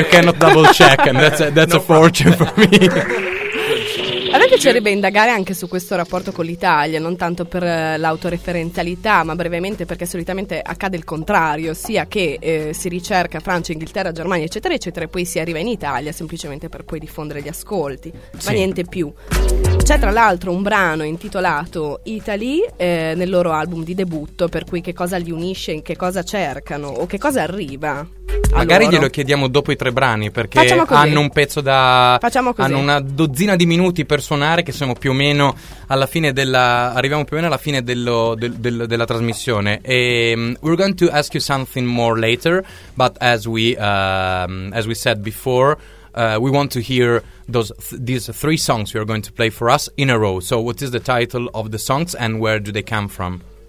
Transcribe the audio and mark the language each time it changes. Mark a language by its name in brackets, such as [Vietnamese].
[English] You cannot double check, and that's no a fortune problem. For me. [Italian] A me piacerebbe indagare anche su questo rapporto con l'Italia, non tanto per l'autoreferenzialità, ma brevemente perché solitamente accade il contrario, ossia che si ricerca Francia, Inghilterra, Germania, eccetera, eccetera, e poi si arriva in Italia semplicemente per poi diffondere gli ascolti, sì. Ma niente più. C'è tra l'altro un brano intitolato Italy nel loro album di debutto, per cui che cosa li unisce, in che cosa cercano o che cosa arriva? Magari glielo chiediamo dopo i tre brani, perché hanno un pezzo da... Facciamo così. Hanno una dozzina di minuti per suonare, che siamo più o meno alla fine della... Arriviamo più o meno alla fine della trasmissione. [English] E, we're going to ask you something more later, but as we said before, we want to hear these three songs you're going to play for us in a row. So what is the title of the songs and where do they come from?